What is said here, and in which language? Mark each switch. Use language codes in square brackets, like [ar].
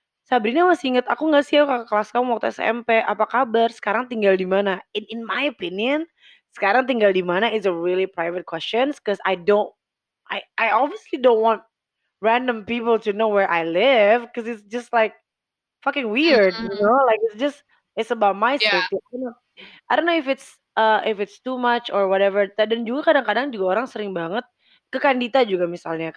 [id] Sabrina masih inget aku gak sih ya kakak kelas kamu waktu SMP. Apa kabar sekarang tinggal di mana? [en] In my opinion, [id] sekarang tinggal di mana [en] is a really private question. Because I obviously don't want random people to know where I live. Because it's just like fucking weird, you know? Like it's about my safety. Yeah. I don't know if it's too much or whatever. [id] Dan juga kadang-kadang juga orang sering banget ke Kandita juga misalnya.